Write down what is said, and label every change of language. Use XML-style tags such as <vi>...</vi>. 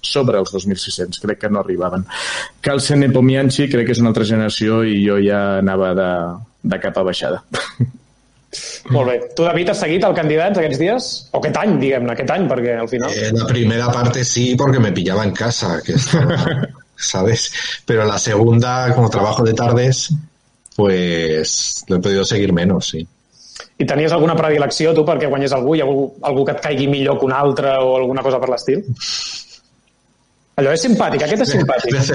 <ca>Sobre els 2.600, crec que no arribaven. Carlsen, Nepomniachtchi, crec que és una altra generació i jo ja anava de cap a baixada. Molt bé. Tu, David, has seguit el Candidats aquests dies? O aquest any, diguem-ne, aquest any, perquè al final... La primera part sí, perquè me pillava en casa, aquesta,</ca> <es>¿sabes? Però la segunda, como trabajo de tardes, pues lo he podido seguir menos, sí.</es> <ca>I tenies alguna predilecció, tu, perquè guanyés algú? Hi ha algú que et caigui millor que un altre o alguna cosa per l'estil? Allò és simpàtic, aquest és simpàtic.</ca>